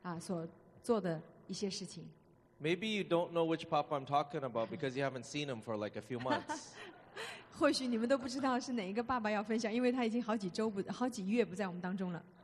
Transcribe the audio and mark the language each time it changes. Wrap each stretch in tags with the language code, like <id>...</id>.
<zh>可不可以提出一些国家的名字，就是神在这个苏里这个小小的地方，所做的一些事情？</zh> <en>Maybe you don't know which Papa I'm talking about because you haven't seen him for like a few months.</en> <zh>或许你们都不知道是哪一个爸爸要分享，因为他已经好几月不在我们当中了。</zh>